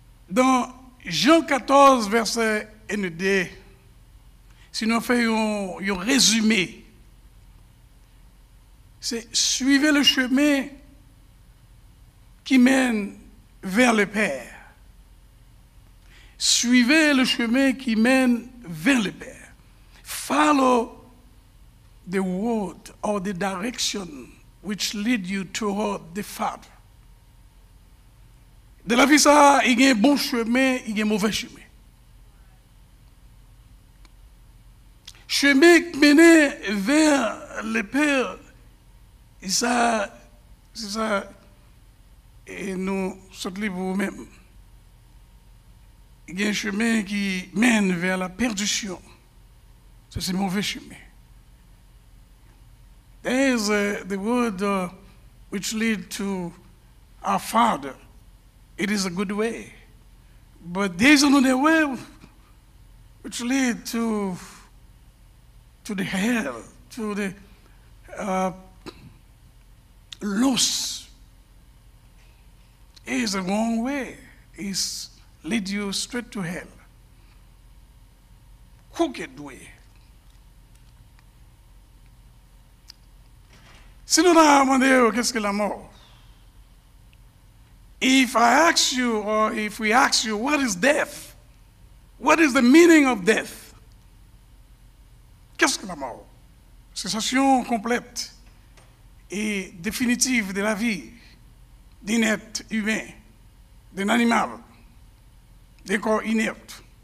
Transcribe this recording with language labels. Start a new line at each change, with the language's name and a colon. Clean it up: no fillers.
French: Dans Jean 14, verset 1D, si nous faisons un résumé, c'est suivez le chemin qui mène vers le Père. Suivez le chemin qui mène vers le Père.
English: Follow the road or the direction which lead you toward the Father.
French: De la vie, ça, il y a un bon chemin, il y a un mauvais chemin. Chemin qui mène vers le Père, et ça, c'est ça, et nous sommes libres vous-même. Il y a un chemin qui mène vers la perdition. Ça, c'est un mauvais chemin.
English: There is the road which leads to our Father. It is a good way. But there is another way which leads to the hell, to the loss. It is a wrong way. It leads you straight to hell. Crooked way.
French: Si nous avons demandé qu'est-ce que la mort?
English: If I ask you, or if we ask you, what is death? What is the meaning of death?
French: Qu'est-ce que la mort? Cessation complète et définitive de la vie d'un être humain, d'un animal, d'un corps inerte.